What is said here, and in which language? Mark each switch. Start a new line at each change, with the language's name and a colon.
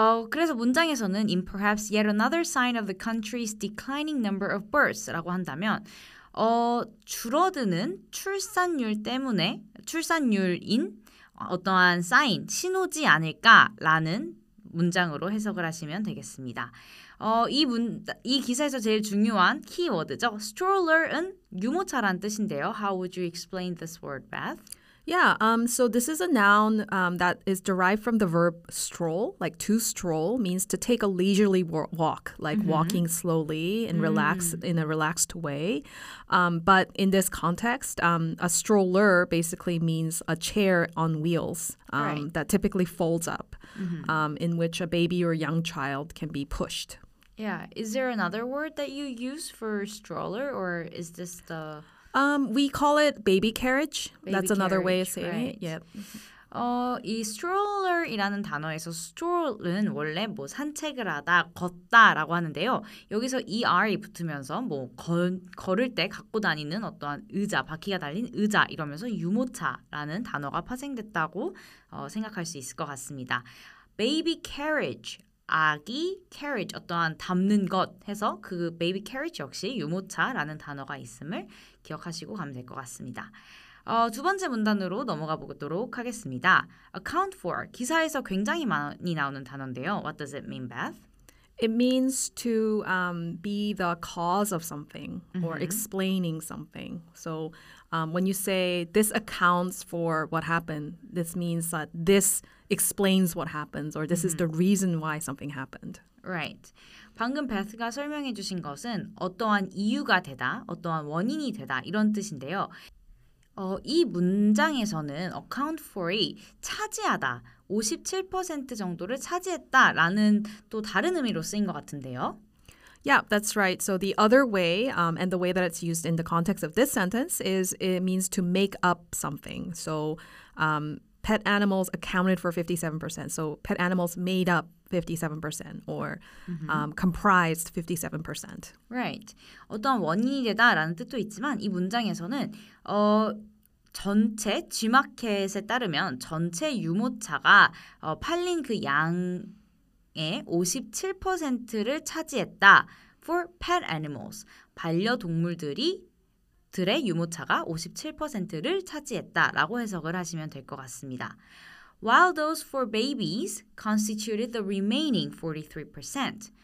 Korean: 그래서 문장에서는
English: in perhaps yet another sign of the country's declining number of births
Korean: 라고 한다면 줄어드는 출산율 때문에 출산율인 어떠한 사인, 신호지 않을까라는 문장으로 해석을 하시면 되겠습니다. 이 기사에서 제일 중요한 키워드죠. Stroller은 유모차란 뜻인데요.
English: How would you explain this word, Beth? Yeah, so this is a noun that is derived from the verb stroll. Like to stroll means to take a leisurely walk, like mm-hmm. walking slowly and in a relaxed way. But in this context, a stroller basically means a chair on wheels that typically folds up, in which a baby or young child can be pushed. Yeah, is there another word that you use for stroller or is this the... We call it baby carriage. That's another way of saying it. Yep.
Korean: 이 stroller이라는 단어에서 stroll은 원래 뭐 산책을 하다, 걷다라고 하는데요. 여기서 er이 붙으면서 뭐 걸을 때 갖고 다니는 어떠한 의자, 바퀴가 달린 의자 이러면서 유모차라는 단어가 파생됐다고 생각할 수 있을 것 같습니다.
English: Baby carriage.
Korean: 아기 carriage 어떠한 담는 것 해서 그 baby carriage 역시 유모차라는 단어가 있음을 기억하시고 가면 될 것 같습니다. 두 번째 문단으로 넘어가 보도록 하겠습니다. Account for 기사에서 굉장히 많이 나오는 단어인데요.
English: What does it mean, Beth? It means to be the cause of something or explaining something. So when you say this accounts for what happened, this means that this explains what happens or this is the reason why something happened. Right.
Korean: 방금 베스가 설명해 주신 것은 어떠한 이유가 되다, 어떠한 원인이 되다 이런 뜻인데요. 이 문장에서는 account for이 차지하다, 57% 정도를 차지했다라는 또 다른 의미로 쓰인 것 같은데요.
English: Yeah, that's right. So the other way and the way that it's used in the context of this sentence is it means to make up something. So pet animals accounted for 57%. So pet animals made up 57% or comprised 57%. Right.
Korean: 어떤 원인이 되다라는 뜻도 있지만 이 문장에서는 전체 G마켓에 따르면 전체 유모차가 팔린 그 양의 57%를 차지했다.
English: For pet animals.
Korean: 반려동물들이 들의 유모차가 57%를 차지했다라고 해석을 하시면 될 것 같습니다.
English: While those for babies constituted the remaining 43%.